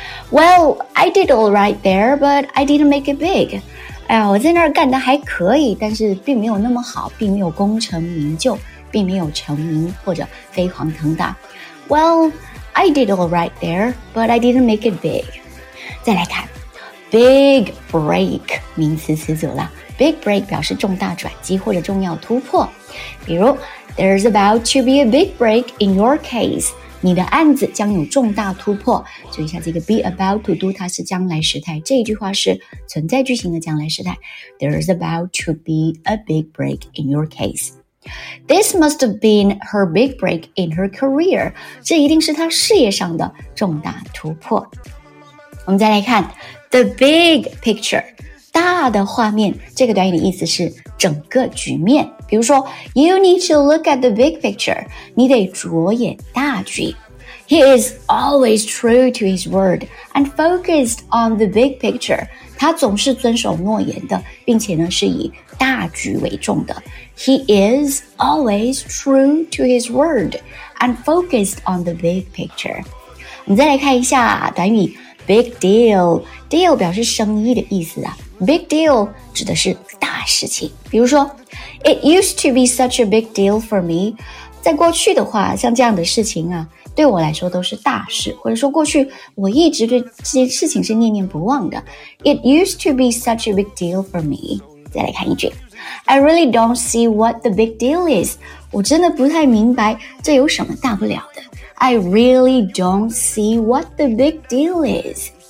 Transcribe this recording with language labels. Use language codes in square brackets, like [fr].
[en] Well, I did all right there, but I didn't make it big. [zh] 哎呀，我在那儿干的还可以，但是并没有那么好，并没有功成名就，并没有成名或者飞黄腾达。 [en] Well, I did all right there, but I didn't make it big. [zh] 再来看 ,big break, 名词词组了。 Big break 表示重大转机或者重要突破。比如 [en] ,there's about to be a big break in your case. [zh] 你的案子将有重大突破。注意一下这个 [en] be about to do, [zh] 它是将来时态。这一句话是存在句型的将来时态。 [en] There's about to be a big break in your case. This must have been her big break in her career. [zh] 这一定是她事业上的重大突破。我们再来看 [en] the big picture, [zh] 大的画面。这个短语的意思是整个局面。比如说 [en] ,you need to look at the big picture. [zh] 你得着眼大局。 [en] He is always true to his word and focused on the big picture. [zh] 他总是遵守诺言的，并且呢是以大局为重的。 [en] He is always true to his word and focused on the big picture. [zh] 我们再来看一下短语 big deal. Deal 表示生意的意思啊。 Big deal 指的是大事情。比如说 , [en] It used to be such a big deal for me. [zh] 在过去的话，像这样的事情啊，对我来说都是大事，或者说过去我一直对这件事情是念念不忘的。 [en] It used to be such a big deal for me. [zh] 再来看一句。 [en] I really don't see what the big deal is. [zh] 我真的不太明白这有什么大不了的。 [en] I really don't see what the big deal is.